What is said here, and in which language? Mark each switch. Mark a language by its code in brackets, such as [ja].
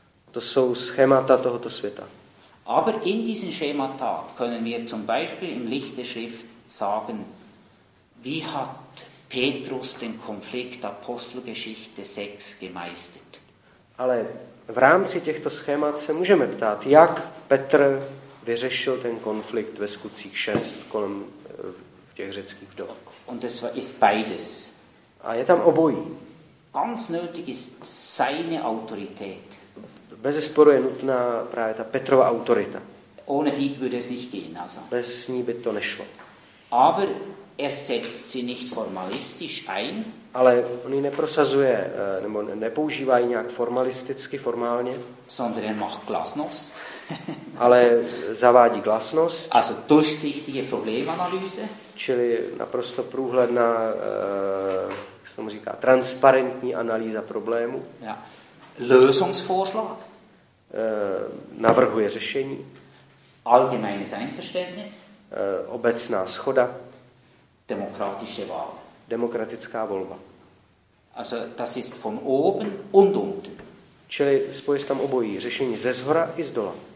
[cs] To jsou schémata tohoto světa. [de] Aber in diesen Schemata können wir zum Beispiel im Licht der Schrift sagen, wie hat Petrus den Konflikt Apostelgeschichte 6 gemeistert? [cs] Ale v rámci těchto schémat se můžeme ptát, jak Petr vyřešil ten konflikt ve Skutcích 6 kolem v těch řeckých vdov. [de] Und es ist beides. [cs] A je tam obojí. [de] Ganz nötig ist seine Autorität. [cs] Bez sporu je nutná právě ta Petrova autorita. [de] Ohne die würde es nicht gehen, also. [cs] Bez ní by to nešlo. [de] Aber er setzt sie nicht formalistisch ein. [cs] Ale on ji neprosazuje, nebo nepoužívá ji nějak formalisticky, formálně. [de] Sondern er macht Glasnost. [cs] Ale zavádí glasnost. [de] Also durchsichtige Problemanalyse. [cs] Čili naprosto průhledná, jak se tomu říká, transparentní analýza problému. [de] Ja. Lösungsvorschlag. [cs] Navrhuje řešení. [de] Allgemeines Einverständnis. [cs] Obecná schoda. [de] Demokratische Wahl. [cs] Demokratická volba. [de] Also das ist von oben und unten. [cs] Čili spojí tam obojí, řešení ze zhora i z dola.